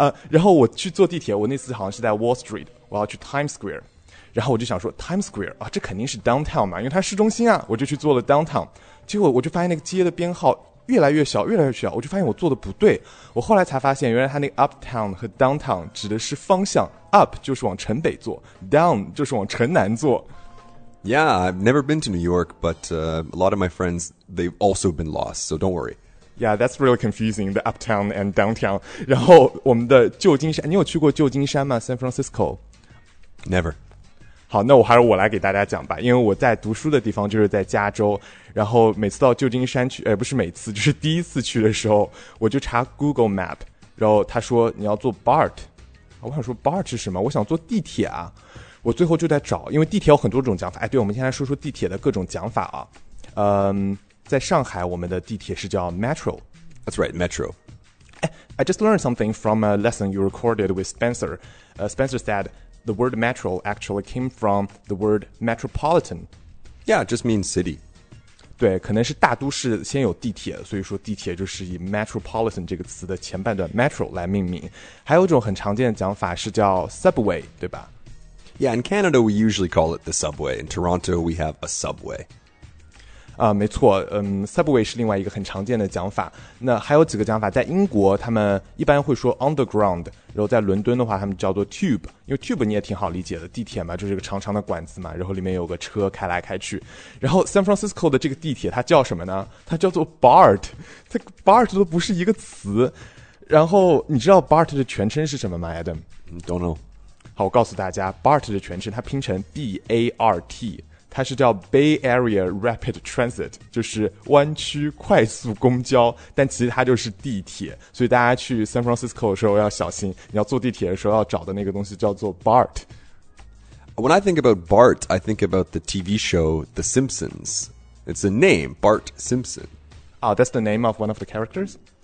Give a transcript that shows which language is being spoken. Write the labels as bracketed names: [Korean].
[Chinese] 然后我去坐地铁，我那次好像是在 Wall Street， 我要去 Times Square， 然后我就想说 Times Square 啊，这肯定是 downtown 嘛，因为它市中心啊，我就去坐了 downtown， 结果我就发现那个街的编号越来越小，越来越小，我就发现我坐的不对，我后来才发现原来它那个 uptown 和 downtown 指的是方向 ，up 就是往城北坐 ，down 就是往城南坐。 [English] Yeah, I've never been to New York, but a lot of my friends, they've also been lost, so don't worry. Yeah, that's really confusing, the uptown and downtown. [Chinese] 然后我们的旧金山，你有去过旧金山吗 ?San Francisco? [English] Never. [Chinese] 好，那我还是我来给大家讲吧，因为我在读书的地方就是在加州，然后每次到旧金山去，不是每次，就是第一次去的时候，我就查 Google Map, 然后他说你要坐 BART, 我想说 BART 是什么？我想坐地铁啊。我最后就在找，因为地铁有很多种讲法。哎，对，我们先来说说地铁的各种讲法啊。在上海，我们的地铁是叫 Metro。 [English] That's right, Metro. I just learned something from a lesson you recorded with Spencer. Spencer said the word Metro actually came from the word Metropolitan. Yeah, it just means city. [Chinese] 对，可能是大都市先有地铁，所以说地铁就是以 Metropolitan 这个词的前半段 Metro 来命名。还有一种很常见的讲法是叫 Subway, 对吧？ [English] Yeah, in Canada, we usually call it the subway. In Toronto, we have a subway. [Chinese] 啊，没错，subway 是另外一个很常见的讲法。那还有几个讲法，在英国，他们一般会说 underground， 然后在伦敦的话，他们叫做 tube， 因为 tube 你也挺好理解的，地铁嘛，就是个长长的管子嘛，然后里面有个车开来开去。然后 San Francisco 的这个地铁它叫什么呢？它叫做 BART， 这 BART 都不是一个词。然后你知道 BART 的全称是什么吗 ，Adam？ [English] Don't know. [Chinese] 好，我告诉大家 BART 的全称它拼成 BART， 它是叫 Bay Area Rapid Transit， 就是湾区快速公交，但其实它就是地铁，所以大家去 San Francisco 的时候要小心，你要坐地铁的时候要找的那个东西叫做 BART。 [English] When I think about Bart, I think about the TV show The Simpsons. It's a name, Bart Simpson. Oh, that's the name of one of the characters?